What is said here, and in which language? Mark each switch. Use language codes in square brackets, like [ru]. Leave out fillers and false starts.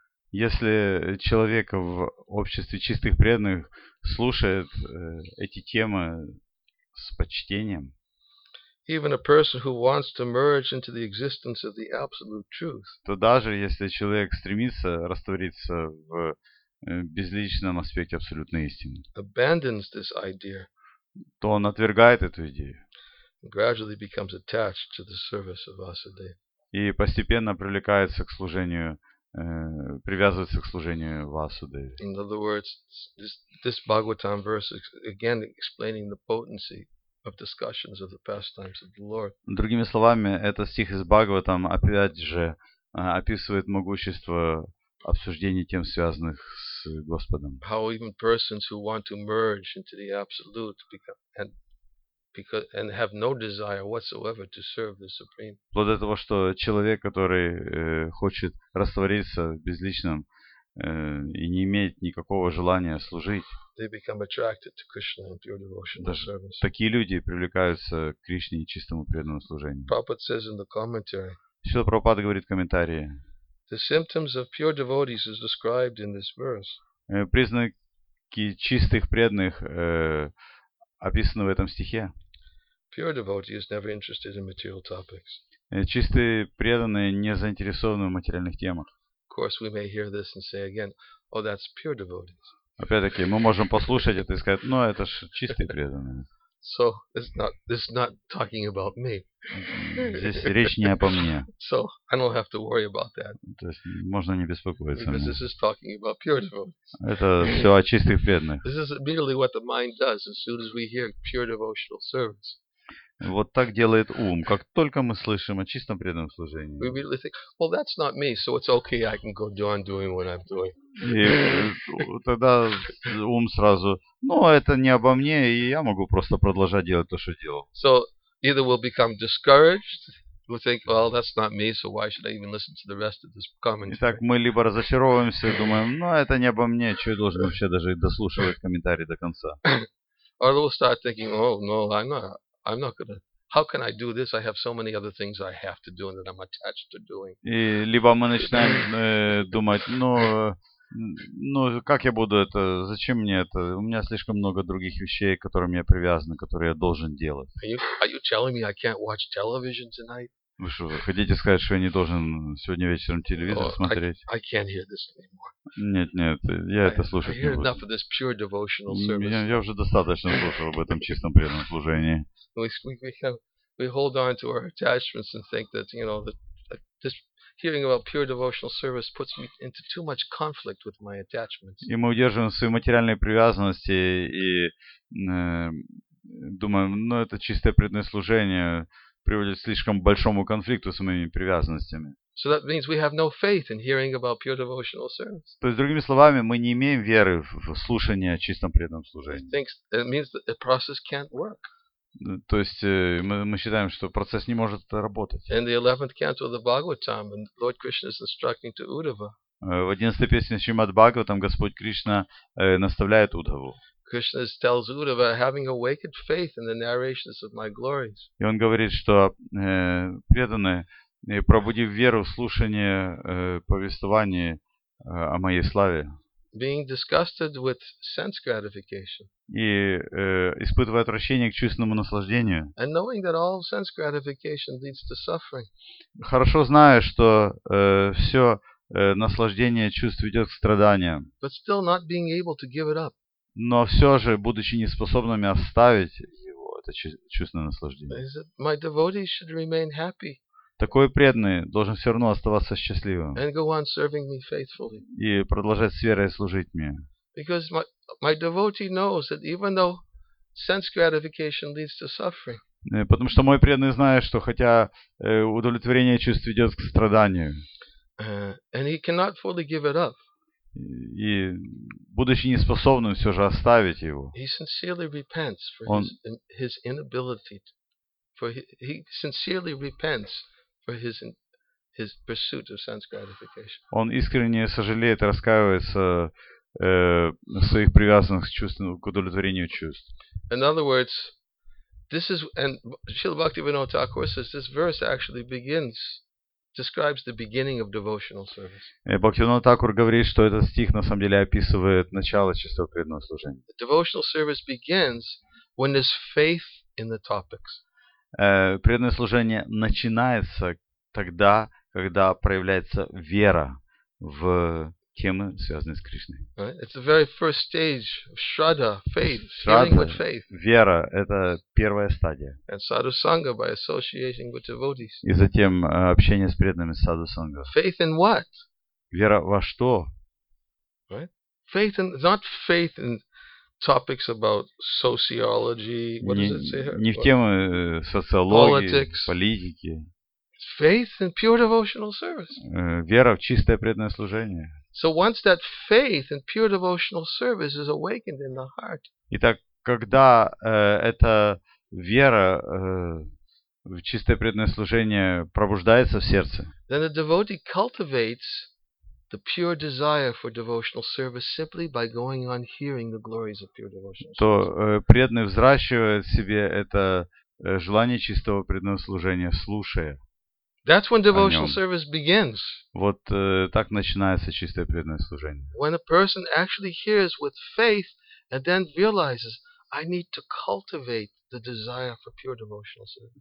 [ru] Если человек в обществе чистых преданных слушает эти темы с почтением. [en] Even a person who wants to merge into the existence of the absolute truth. [ru] То даже если человек стремится раствориться в безличном аспекте абсолютной истины. [en] Abandons this idea. [ru] То он отвергает эту идею. [en] Gradually becomes attached to the service of Vasudeva. [ru] И постепенно привлекается к служению, привязывается к служению Васудеве. [en] In other words, this Bhagavatam verse is again explaining the potency of discussions of the pastimes of the Lord. [ru] Другими словами, этот стих из Бхагаватам опять же описывает могущество обсуждений тем, связанных с Господом. [en] How even persons who want to merge into the absolute become and because and have no desire whatsoever to serve the supreme. [ru] Вплоть до того, что человек, который хочет раствориться в безличном и не имеет никакого желания служить. [en] They become attracted to Krishna and pure devotional service. [ru] Такие люди привлекаются к Кришне и чистому преданному служению. [en] Prabhupada says in the commentary. [ru] Шрила Прабхупада говорит в комментарии. [en] The symptoms of pure devotees is described in this verse. [ru] Признаки чистых преданных описано в этом стихе. [en] Pure devotee is never interested in material topics. [ru] Чистые преданные не заинтересованы в материальных темах. [en] Of course, we may hear this and say again, "Oh, that's pure devotees." [ru] Опять-таки, мы можем послушать это и сказать: "Ну, это ж чистые преданные." [en] So it's not talking about me. [ru] Здесь речь не обо мне. [en] So I don't have to worry about that. [ru] То есть можно не беспокоиться. [en] Because this is talking about pure devotees. [ru] Это все о чистых преданных. [en] This is immediately what the mind does as soon as we hear pure devotional service. [ru] Вот так делает ум, как только мы слышим о чистом преданном служении. [en] We immediately think, well, that's not me, so it's okay, I can go on doing what I'm doing. [ru] И тогда ум сразу, ну, это не обо мне, и я могу просто продолжать делать то, что делал. [en] So, either we'll become discouraged, we'll think, well, that's not me, so why should I even listen to the rest of this commentary? [ru] Итак, мы либо разочаровываемся, думаем, ну, это не обо мне, что я должен вообще даже дослушивать комментарий до конца. [en] Or we'll start thinking, oh, no, I'm not going to. How can I do this? I have so many other things I have to do and that I'm attached to doing. [ru] И либо мы начинаем думать, ну как я буду это? Зачем мне это? У меня слишком много других вещей, к которым я привязан, которые я должен делать. [en] Are you telling me I can't watch television tonight? [ru] Вы что, вы хотите сказать, что я не должен сегодня вечером телевизор смотреть? [en] I can't hear this anymore. [ru] Нет, я это слушать не буду. [en] I hear enough of this pure devotional service. [ru] Я уже достаточно слушал об этом чистом преданном служении. [en] We hold on to our attachments and think that, you know, that just hearing about pure devotional service puts me into too much conflict with my attachments. [ru] И мы удерживаем свои материальные привязанности и думаем, ну это чистое преданное служение приводит к слишком большому конфликту с моими привязанностями. [en] So that means we have no faith in hearing about pure devotional service. [ru] То есть другими словами, мы не имеем веры в слушание о чистом преданном служении. [en] It means that the process can't work. [ru] То есть мы считаем, что процесс не может работать. [en] In the 11th canto of the Bhagavatam, Lord Krishna is instructing to Uddhava. [ru] В 11-й песне Шримад-Бхагаватам Господь Кришна наставляет Удхаву. [en] Krishna tells Uddhava, having awakened faith in the narrations of my glories. [ru] И он говорит, что преданные, пробудив веру в слушание повествования о моей славе. [en] Being disgusted with sense gratification. [ru] И испытывая отвращение к чувственному наслаждению. [en] And knowing that all sense gratification leads to suffering. [ru] Хорошо зная, что все наслаждение чувств ведет к страданиям. [en] But still not being able to give it up. [ru] Но все же, будучи неспособными оставить его, это чувственное наслаждение. [en] Is it, my devotee should remain happy. [ru] Такой преданный должен все равно оставаться счастливым. [en] And go on serving me faithfully. [ru] И продолжать с верой служить мне. [en] Because my devotee knows that even though sense gratification leads to suffering. [ru] Потому что мой преданный знает, что хотя удовлетворение чувств ведет к страданию. [en] And he cannot fully give it up. [ru] И будучи неспособным все же оставить его. [en] He sincerely repents for his inability. He sincerely repents for his pursuit of sense gratification. [ru] Он искренне сожалеет, раскаивается своих привязанных к удовлетворению чувств. [en] In other words, this is, and Srila Bhaktivinoda Thakur says this verse actually begins, describes the beginning of devotional service. [ru] Бхактивинода Тхакур говорит, что этот стих на самом деле описывает начало чистого преданного служения. [en] The devotional service begins when there's faith in the topics. [ru] Преданное служение начинается тогда, когда проявляется вера в темы, связанные с Кришной. [en] Right? It's the very first stage of Shraddha, faith, hearing with faith. [ru] Вера – это первая стадия. [en] And sadhu sangha by associating with devotees. [ru] И затем общение с преданными sadhu sangha. [en] Faith in what? [ru] Вера во что? [en] Right? Faith in, not faith in topics about sociology. What does it say here? [ru] Не в темы социологии, politics. Политики. [en] Faith in pure devotional service. [ru] Вера в чистое преданное служение. [en] So once that faith and pure devotional service is awakened in the heart. [ru] Итак, когда эта вера в чистое преданное служение пробуждается в сердце. [en] Then the devotee cultivates the pure desire for devotional service simply by going on hearing the glories of pure devotional service. [ru] То преданный взращивает в себе это желание чистого преданного служения, слушая. [en] That's when devotional service begins. [ru] Вот так начинается чистое преданное служение. [en] When a person actually hears with faith and then realizes, I need to cultivate the desire for pure devotional service.